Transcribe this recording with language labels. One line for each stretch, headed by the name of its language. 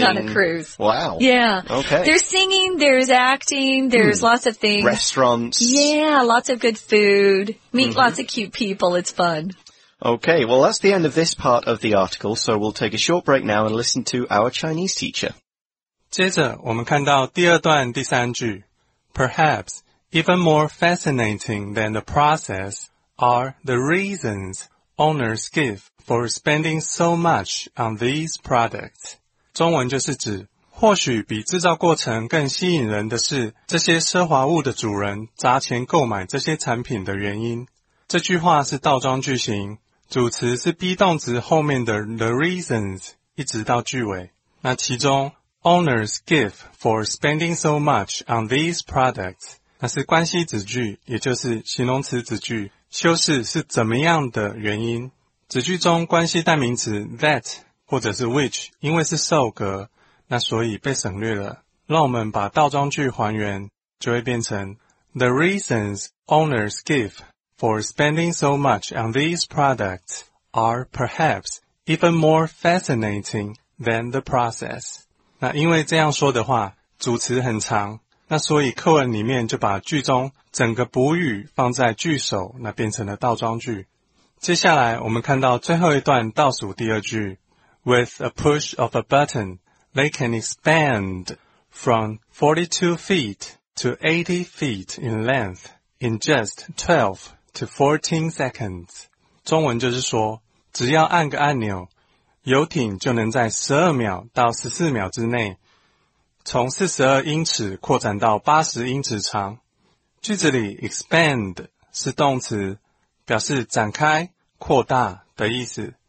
English: I sang on a cruise. Wow. Yeah. Okay. There's singing, there's acting, there's lots of things. Restaurants. Yeah, lots of good food. Meet lots of cute people. It's fun. Okay, well, that's the end of this part of the article, so we'll take a short break now and listen to our Chinese teacher.
Chinese: 接着我们看到第二段第三句。
English: Perhaps even more fascinating than the process are the reasons owners give for spending so much on these products.
Chinese: 中文就是指或许比制造过程更吸引人的是这些奢华物的主人砸钱购买这些产品的原因。这句话是倒装句型，主词是 be 动词后面的
English: the reasons
Chinese: 一直到句尾。那其中
English: owners give for spending so much on these products
Chinese: 那是关系子句，也就是形容词子句，修饰是怎么样的原因。子句中关系代名词 that 或者是 which 因为是受格，那所以被省略了。让我们把倒装句还原，就会变成
English: the reasons owners giveFor spending so much on these products are perhaps even more fascinating than the process.
Chinese: 那因为这样说的话，主词很长，那所以课文里面就把句中整个补语放在句首，那变成了倒装句。接下来我们看到最后一段倒数第二句，
English: With a push of a button, they can expand from 42 feet to 80 feet in length in just 12 to 14 seconds.
Chinese: 中文就是说，只要按个按钮，游艇就能在12秒到14秒之内，从42英尺扩展到80英尺长。句子里 expand 是动词，表示展开、扩大的意思。